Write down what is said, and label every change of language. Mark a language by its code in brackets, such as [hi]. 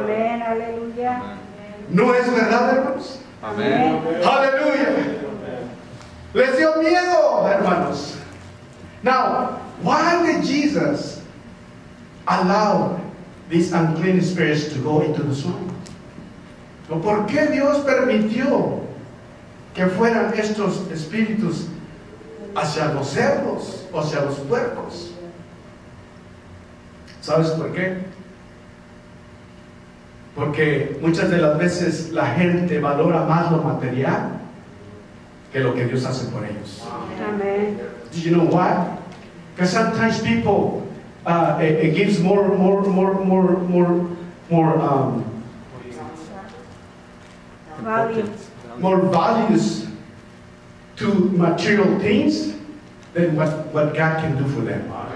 [es] Amen. Aleluya. No es verdad, hermanos. Amen. Aleluya. Les dio miedo, hermanos. [en] Now, why did Jesus allow these unclean spirits to go into the swamp? [es] ¿Por qué Dios permitió que fueran estos espíritus hacia los cerdos, hacia los puercos? ¿Sabes por qué? Porque muchas de las veces la gente valora más lo material que lo que Dios hace por ellos. Amen. [en] Do you know why? Because sometimes people it gives more values to material things than what God can do for them.